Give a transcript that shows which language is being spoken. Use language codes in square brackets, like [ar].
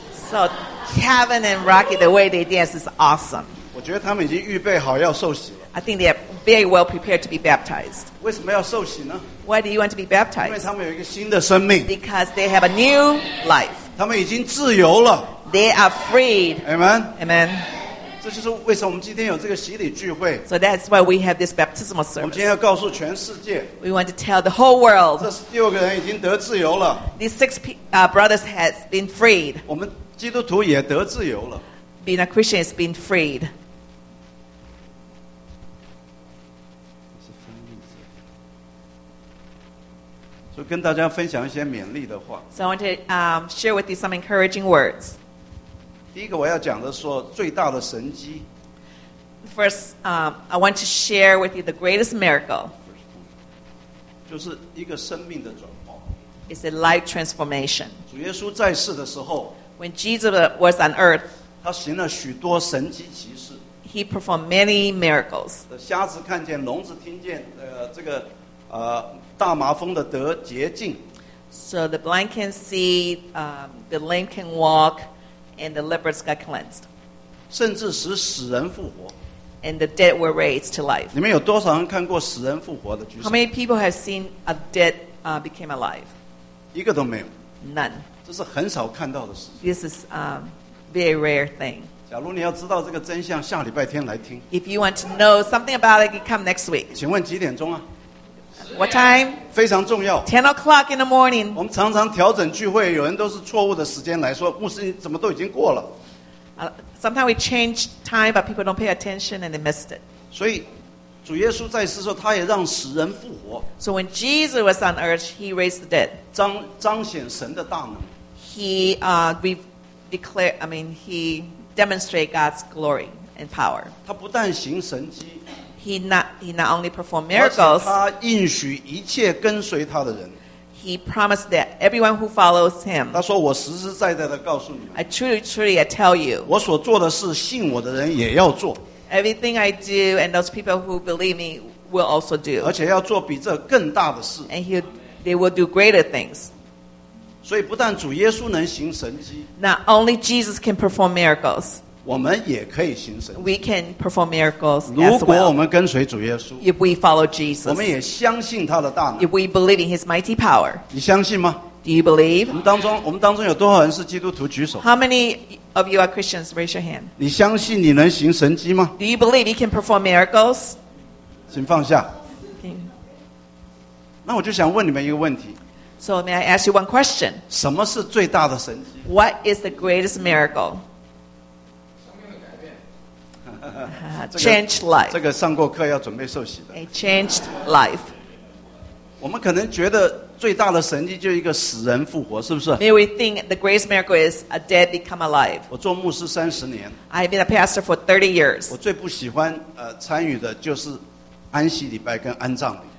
[en] So Kevin and Rocky, the way they dance is awesome. [zh] 我觉得他们已经预备好要受洗了。 [en] I think they are very well prepared to be baptized. [zh] 为什么要受洗呢？ [en] Why do you want to be baptized? [zh] 因为他们有一个新的生命。 [en] Because they have a new life. [zh] 他们已经自由了。 [en] They are freed. Amen. Amen. [zh] 这就是为什么我们今天有这个洗礼聚会。 [en] So that's why we have this baptismal service. [zh] 我们今天要告诉全世界。 [en] We want to tell the whole world. [zh] 这六个人已经得自由了。 [en] These six brothers has been freed. [zh] 我们基督徒也得自由了。 [en] Being a Christian is being freed. [zh] 所以跟大家分享一些勉励的话。 [en] So I want to share with you some encouraging words. [zh] 第一个我要讲的说最大的神迹。 [en] First, I want to share with you the greatest miracle. [zh] 就是一个生命的转化。 [en] It's a life transformation. [zh] 主耶稣在世的时候。 [en] When Jesus was on earth, [zh] 他行了许多神迹奇事。 [en] He performed many miracles. [zh] 瞎子看见，聋子听见，这个大麻风的得洁净。 [en] So the blind can see, the lame can walk, and the lepers got cleansed. [zh] 甚至使死人复活。 [en] And the dead were raised to life. [zh] 你们有多少人看过死人复活的举手 [en] ？How many people have seen a dead became alive? [zh] 一个都没有。 [en] None. [zh] 这是很少看到的事情。 [en] This is a very rare thing. [zh] 假如你要知道这个真相，下礼拜天来听。 [en] If you want to know something about it, you come next week. [zh] 请问几点钟啊 [en] ？What time? [zh] 非常重要。 [en] 10 o'clock in the morning. [zh] 我们常常调整聚会，有人都是错误的时间来说，牧师你怎么都已经过了。 [en] Sometimes we change time, but people don't pay attention and they missed it. [zh] 所以主耶稣在世的时候，他也让死人复活。 [en] So when Jesus was on earth, he raised the dead. [zh] 彰显神的大能。 [en] He demonstrated God's glory and power. [zh] 他不但行神迹。 [en] he not only performed miracles. [zh] 他应许一切跟随他的人。 [en] He promised that everyone who follows him. [zh] 他说我实实在在的告诉你们。 [en] I truly I tell you. [zh] 我所做的事，信我的人也要做。 [en] Everything I do and those people who believe me will also do. [zh] 而且要做比这更大的事。 [en] And they will do greater things. [zh] 所以不但主耶稣能行神迹， [en] Not only Jesus can perform miracles, [zh] 我们也可以行神迹。 [en] We can perform miracles as well. [zh] 如果我们跟随主耶稣， [en] If we follow Jesus, [zh] 我们也相信他的大能。 [en] If we believe in his mighty power, [zh] 你相信吗？ [en] Do you believe? [zh] 我们当中有多少人是基督徒？举手。 [en] How many of you are Christians? Raise your hand. [zh] 你相信你能行神迹吗？ [en] Do you believe you can perform miracles? [zh] 请放下。那我就想问你们一个问题。 [en] So may I ask you one question? [zh] 什么是最大的神迹？ [en] What is the greatest miracle? 生 [zh] 命的改变。 [en] Changed life. [zh] 这个上过课要准备受洗的。 [en] A changed life. [zh] 我们可能觉得最大的神迹就是一个死人复活，是不是？ [en] May we think the greatest miracle is a dead become alive. [zh] 我做牧师三十年。 [en] I've been a pastor for 30 years. [zh] 我最不喜欢参与的就是安息礼拜跟安葬礼。